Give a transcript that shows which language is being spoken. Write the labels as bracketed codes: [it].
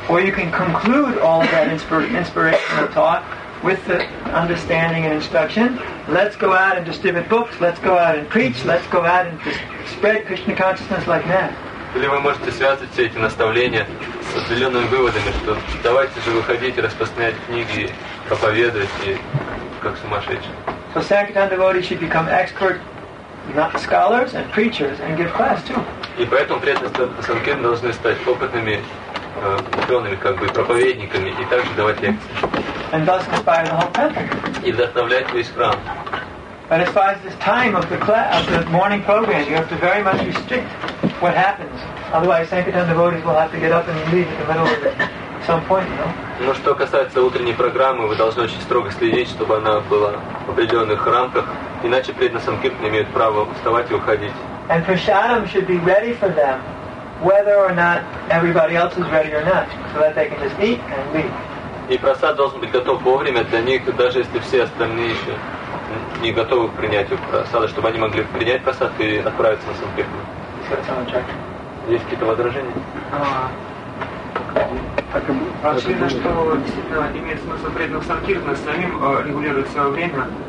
[en] Or you can conclude all that inspirational talk with the understanding and instruction, let's go out and distribute books, let's go out and preach, let's go out and spread Krishna consciousness like that. [ru] Или вы можете связывать все эти наставления с определенными выводами, что давайте же выходить, распространять книги, проповедовать, и как сумасшедшие. [en] So Sankirtan devotees should become expert not scholars and preachers and give class too. [ru] И поэтому преданные санкиртны должны стать опытными учеными, как бы проповедниками, и также давать лекции. [en] And thus inspire the whole temple. [ru] И вдохновлять весь храм. [en] But as far as this time of the morning program, you have to very much restrict what happens. Otherwise, Sankirtan devotees will have to get up and leave in the middle of it at some point, you know? [ru] Но что касается утренней программы, вы должны очень строго следить, чтобы она была в определенных рамках, иначе преданные санкиртны имеют право вставать и уходить. [en] And prasadam should be ready for them, whether or not everybody else is ready or not, so that they can just eat and leave. [ru] И прасад должен быть готов вовремя для них, даже если все остальные еще не готовы к принятию прасада, чтобы они могли принять прасад и отправиться на санкиртну. Есть какие-то возражения? Очевидно, что действительно имеет смысл преданных санкиртны самим регулировать свое время.